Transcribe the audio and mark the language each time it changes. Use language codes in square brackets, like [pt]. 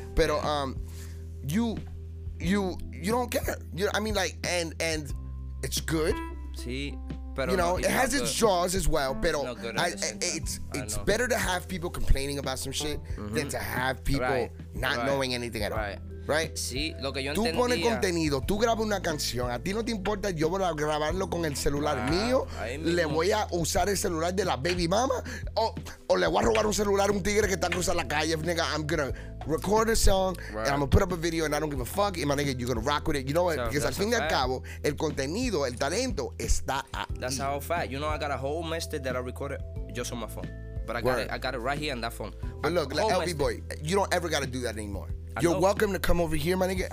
[en] But you don't care. I mean, it's good. [es] Sí, pero [en] you know, it has its good. Draws as well. But it's better to have people complaining about some shit than to have people not knowing anything at all. Right. Right? [es] Sí, lo que yo tú entendía. Tú pones contenido, tú grabas una canción, a ti no te importa, yo voy a grabarlo con el celular mío, le voy a usar el celular de la baby mama, o le voy a robar un celular a un tigre que está cruzando la calle, nigga, [en] I'm gonna record a song, right. And I'm gonna put up a video, and I don't give a fuck, and my nigga, you're gonna rock with it, you know what? So, [es] because al fin y al cabo, el contenido, el talento, está ahí. [en] That's how fat. You know, I got a whole message that I recorded just on my phone. But I got it right here on that phone. But look, like LB Boy, you don't ever got to do that anymore. You're welcome to come over here, my nigga.